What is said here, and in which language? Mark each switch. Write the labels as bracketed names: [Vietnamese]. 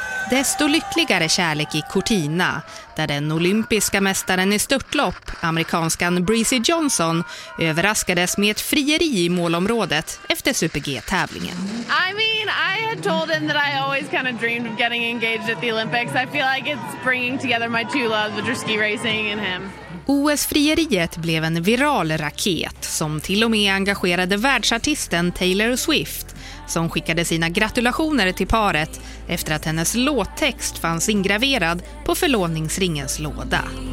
[Swedish] Desto lyckligare kärlek i Cortina, där den olympiska mästaren i störtlopp, amerikanskan Breezy Johnson, överraskades med ett frieri i målområdet efter Super-G-tävlingen. [English] I mean, I had told him that I always kind of dreamed of getting engaged at the Olympics. I feel like it's bringing together my two loves, which are ski racing and him. [Swedish] OS-frieriet blev en viral raket som till och med engagerade världsartisten Taylor Swift, som skickade sina gratulationer till paret efter att hennes låttext fanns ingraverad på förlovningsringens låda.